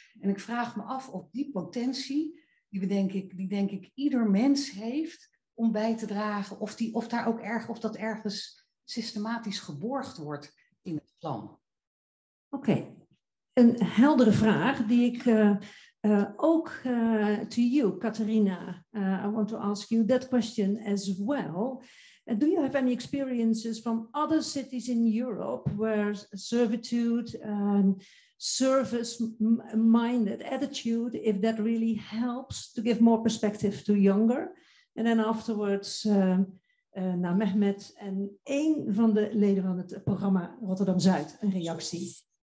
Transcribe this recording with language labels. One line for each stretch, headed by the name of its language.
Dutch: En ik vraag me af of die potentie, die denk ik ieder mens heeft om bij te dragen, of dat ergens systematisch geborgd wordt in het plan. Oké. Okay. Een heldere vraag die ik ook
English: to you,
Dutch: Katharina.
English: I want to ask you that question as well. Do you have any experiences from other cities in Europe where servitude, service-minded attitude, if that really helps to give more perspective to younger? And then afterwards
Dutch: naar Mehmet en één van de leden van het programma Rotterdam Zuid, een reactie.